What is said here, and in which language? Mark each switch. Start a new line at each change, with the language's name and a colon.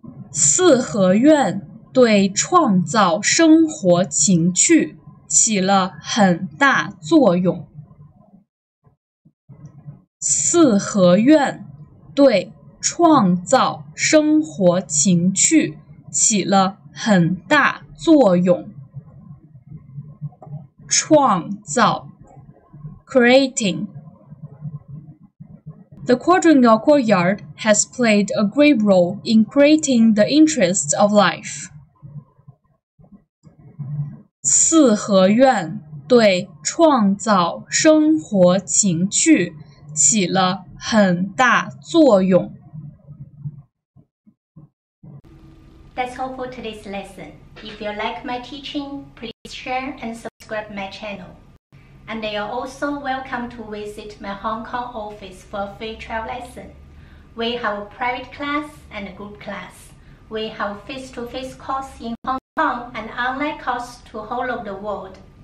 Chinese: 四合院对创造生活情趣起了很大作用。四合院对创造生活情趣起了很大作用。
English: 创造 Creating The quadrangle courtyard has played a great role in creating the interests of life.
Chinese: 四合院对创造生活情趣起了很大作用。
English: That's all for today's lesson. If you like my teaching, please share and subscribe my channel. And you're also welcome to visit my Hong Kong office for a free travel lesson. We have a private class and a group class. We have face-to-face course in Hong Kong and online course to whole of the world.